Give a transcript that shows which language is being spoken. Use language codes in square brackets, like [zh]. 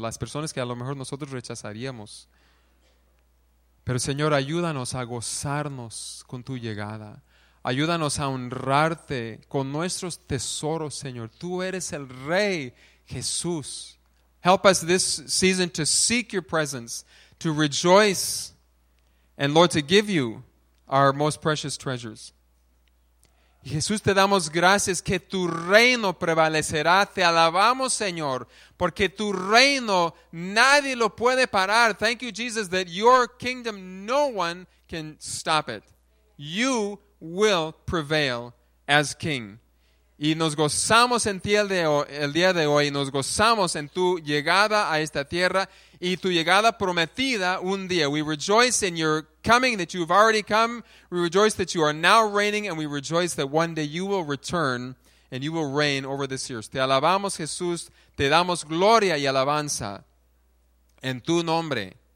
[es] Las personas que a lo mejor nosotros rechazaríamos. Pero, Señor, ayúdanos a gozarnos con tu llegada. Ayúdanos a honrarte con nuestros tesoros, Señor. Tú eres el Rey Jesús. [en] Help us this season to seek your presence, to rejoice, and Lord, to give you our most precious treasures. [es] Jesús, te damos gracias que tu reino prevalecerá. Te alabamos, Señor, porque tu reino nadie lo puede parar. [en] Thank you, Jesus, that your kingdom, no one can stop it. You will prevail as king. [es] Y nos gozamos en ti el día de hoy. Nos gozamos en tu llegada a esta tierra y tu llegada prometida un día. [en] We rejoice in your coming, that you've already come. We rejoice that you are now reigning, and we rejoice that one day you will return and you will reign over this earth. [es] Te alabamos, Jesús. Te damos gloria y alabanza en tu nombre.